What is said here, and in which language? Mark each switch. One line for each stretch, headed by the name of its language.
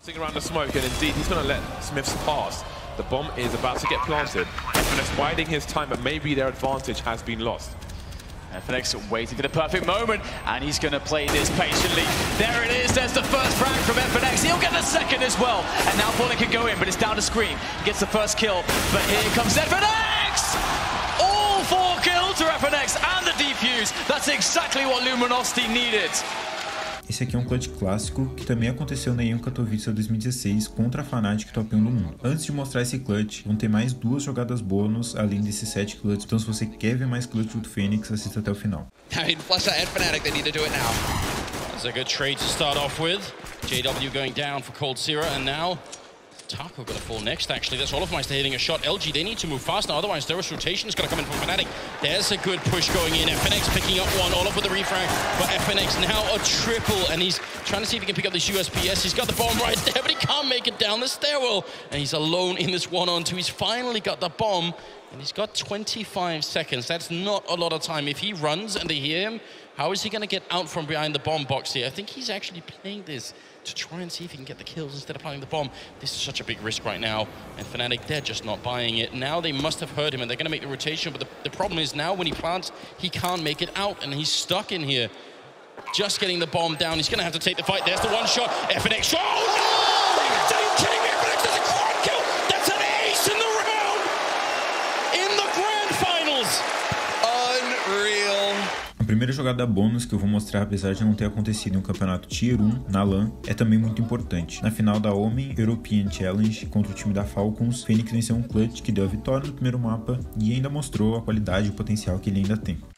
English: Sticking around the smoke, and indeed, he's gonna let Smiths pass. The bomb is about to get planted. FNX biding his time, but maybe their advantage has been lost. FNX waiting for the perfect moment, and he's gonna play this patiently. There it is, there's the first frag from FNX. He'll get the second as well. And now Bullet can go in, but it's down to Scream. He gets the first kill, but here comes FNX! All 4 kills for FNX and the defuse. That's exactly what Luminosity needed.
Portuguese: Esse aqui é um clutch clássico que também aconteceu na EM Katowice 2016 contra a Fnatic top 1 do mundo. Antes de mostrar esse clutch, vão ter mais duas jogadas bônus além desses 7 clutches. Então se você quer ver mais clutch do Fênix, assista até o final.
English: Flush that Fnatic, they need to do it now. That's a good trade to start off with. JW going down for Coldzera and now top are going to fall next, actually. That's all of Meister hitting a shot. LG, they need to move fast now. Otherwise, Deris rotation is going to come in from Fnatic. There's a good push going in. FNX picking up one. Olaf with the refrag. But FNX now a triple. And he's trying to see if he can pick up this USPS. He's got the bomb right there, but he can't make it down the stairwell. And he's alone in this one-on-two. He's finally got the bomb. And he's got 25 seconds. That's not a lot of time. If he runs and they hear him, how is he going to get out from behind the bomb box here? I think he's actually playing this to try and see if he can get the kills instead of playing the bomb. This is such a big risk right now. And Fnatic, they're just not buying it. Now they must have heard him and they're going to make the rotation. But the problem is now when he plants, he can't make it out. And he's stuck in here. Just getting the bomb down. He's going to have to take the fight. There's the one shot. FNX. Oh, no! Are you kidding me? FNX has a quad kill! That's an ace in the round! In the grand finals! Unreal.
Portuguese: A primeira jogada bônus que eu vou mostrar, apesar de não ter acontecido em um campeonato Tier 1 na LAN, é também muito importante. Na final da Omen European Challenge contra o time da Falcons, Fênix venceu um clutch que deu a vitória no primeiro mapa e ainda mostrou a qualidade e o potencial que ele ainda tem.